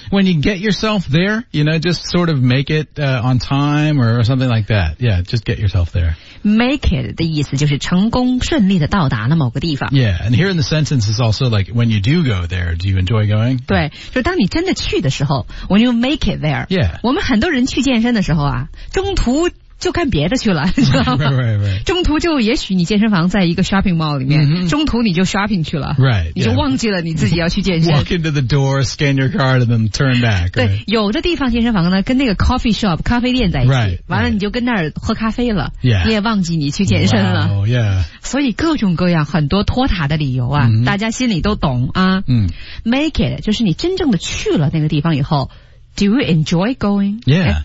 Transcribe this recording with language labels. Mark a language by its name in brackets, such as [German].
[English] When you get yourself there You know just sort of make it、on time or something like that Yeah just get yourself there [Chinese] Make it 的意思就是成功顺利的到达了某个地方。 [English] Yeah, and here in the sentence is also like, when you do go there, do you enjoy going? [Chinese] 对，就当你真的去的时候 [English] when you make it there. Yeah. [Chinese] 我们很多人去健身的时候啊，中途就干别的去了，你知道吗？ [English] Right. [Chinese] 中途就也许你健身房在一个 shopping mall 里面、mm-hmm. 中途你就 shopping 去了 [English] right, [Chinese] 你就忘记了你自己要去健身 [English] walk into the door, scan your card and then turn back、right. [Chinese] 对，有的地方健身房呢跟那个 coffee shop 咖啡店在一起 [English] right, right. [Chinese] 完了你就跟那儿喝咖啡了、 [English] yeah. [Chinese] 你也忘记你去健身了 [English] wow, yeah. [Chinese] 所以各种各样很多拖沓的理由啊、mm-hmm. 大家心里都懂啊、 [English] mm-hmm. [Chinese] make it 就是你真正的去了那个地方以后 [English] do you enjoy going? Yeah.